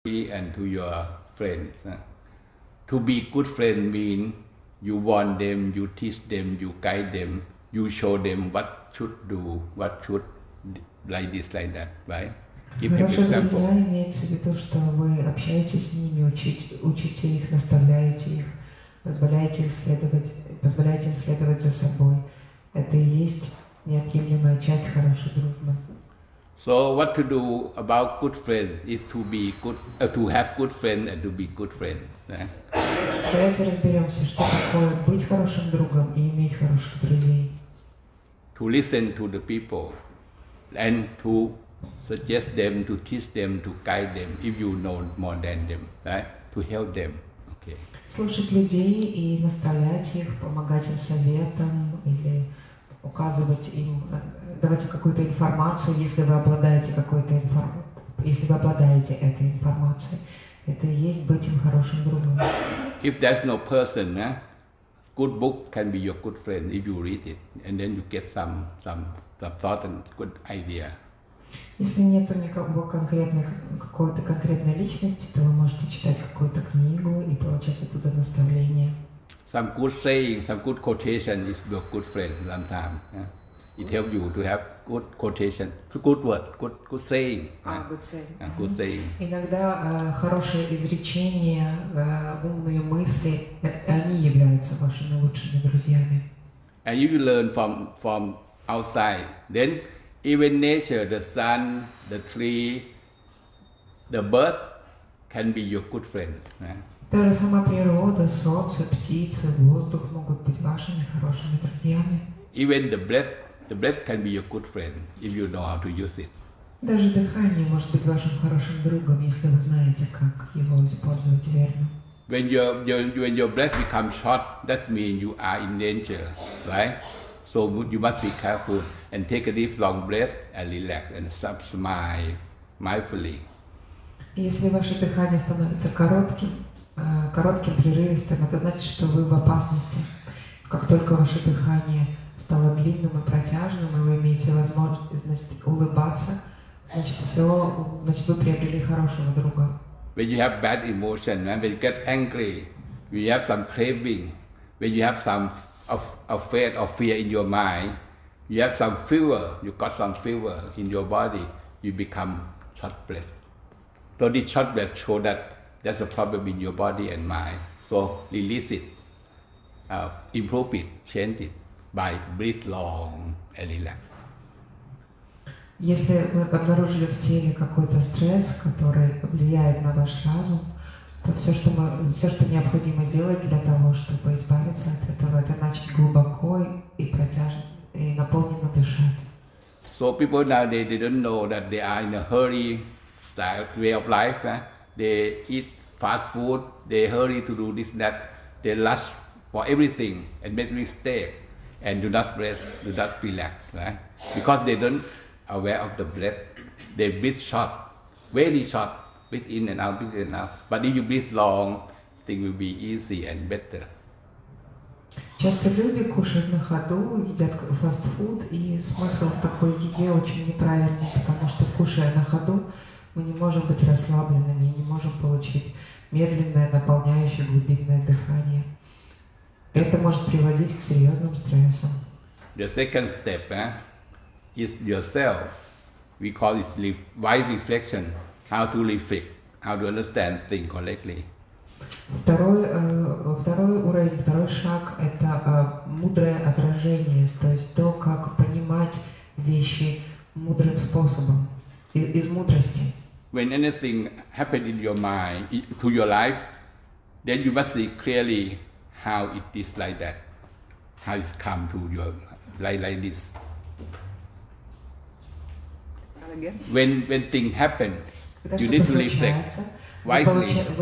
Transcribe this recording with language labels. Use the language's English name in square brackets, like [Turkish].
[English] And to your friends. To be good friend means you warn them, you teach them, you guide them, you show them what should do, what should like this, like that, right? Give them example. [Russian] Хорошо, друзья, имеется в виду, что вы общаетесь с ними, учите их, наставляете их, позволяете им следовать за собой. Это и есть неотъемлемая часть хорошей дружбы. [English] So what to do about good friend is to be good, to have good friend and to be good friend. [Russian] Давайте разберемся, что такое быть хорошим другом и иметь хороших друзей. [English] To listen to the people and to suggest them, to teach them, to guide them, if you know more than them, right? To help them. Okay. [Russian] Слушать людей и наставлять их, помогать им советом или указывать им, давать им какую-то информацию, если вы обладаете этой информацией, это и есть быть им хорошим другом. [English] If there's no person, good book can be your good friend if you read it, and then you get some thought and good idea. [Russian] Если нету никакого какой-то конкретной личности, то вы можете читать какую-то книгу и получать оттуда наставление. [English] Some good saying, some good quotation is your good friend sometimes. It helps you to have good quotation, good word, good saying. Good saying. [Russian] Иногда хорошее изречение, умные мысли, они являются вашими лучшими друзьями. [English] And you learn from outside. Then even nature, the sun, the tree, the bird can be your good friend. [Russian] Даже сама природа, солнце, птицы, воздух могут быть вашими хорошими друзьями. [English] Even the breath can be your good friend if you know how to use it. [Russian] Даже дыхание может быть вашим хорошим другом, если вы знаете, как его использовать верно. [English] When your breath becomes short, that means you are in danger, right? So you must be careful and take a deep long breath and relax and smile mindfully. [Russian] Если ваше дыхание становится коротким, прерывистым, это значит, что вы в опасности. Как только ваше дыхание стало длинным и протяжным, и вы имеете возможность улыбаться, значит, все, значит, вы приобрели хорошего друга. [English] When you have bad emotion, when you get angry, when you have some craving, when you have some afraid or fear in your mind, you have some fever, you got some fever in your body, you become short breath. So this short breath show that there's a problem in your body and mind. So release it, improve it, change it by breathe long and relax. [Russian] Если вы обнаружили в теле какой-то стресс, который влияет на ваш разум, то все, что необходимо сделать для того, чтобы избавиться от этого, это начать глубоко и протяжно, и наполненно дышать. [English] So people nowadays they don't know that they are in a hurry style way of life. Eh? They eat fast food, they hurry to do this, that, they rush for everything and make mistake and do not rest, do not relax, right? Because they don't aware of the breath. They breathe short, very short, breathe in and out, breathe in and out. But if you breathe long, things will be easy and better. [Russian] Часто люди кушают на ходу, едят фастфуд, и смысл в такой еде очень неправильный, потому что кушая на ходу, мы не можем быть расслабленными и не можем получить медленное, наполняющее глубинное дыхание. Это может приводить к серьезным стрессам. [English] The second step, is yourself. We call it why reflection, how to reflect, how to understand things correctly. [Russian] Второй уровень, второй шаг – это мудрое отражение, то есть то, как понимать вещи мудрым способом, из мудрости. [English] When anything happened in your mind, to your life, then you must see clearly how it is like that, how it's come to your life like this. When things happen, you need to reflect wisely.